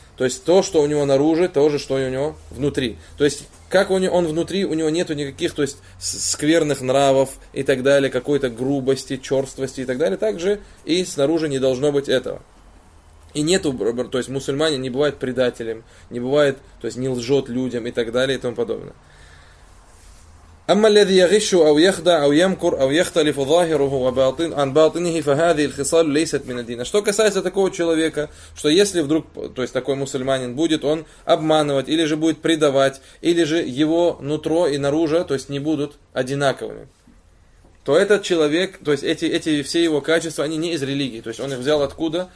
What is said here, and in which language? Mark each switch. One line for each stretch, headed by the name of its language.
Russian: То есть то, что у него наружу, то же, что и у него внутри. То есть как он внутри, у него нету никаких, то есть скверных нравов и так далее, какой-то грубости, черствости и так далее. Также и снаружи не должно быть этого. И нету, то есть мусульмане не бывает предателем, не бывает, то есть не лжет людям и так далее и тому подобное.
Arabic: أما الذي يغش أو يخدع أو يمكر أو يختلف ظاهره عن باطنه فهذه الخصال ليست من الدين.
Russian: Что касается такого человека, что если вдруг, то есть такой мусульманин будет он обманывать или же будет предавать, или же его нутро и наружу, то есть не будут одинаковыми, то этот человек, то есть эти все его качества, они не из религии, то есть он их взял откуда?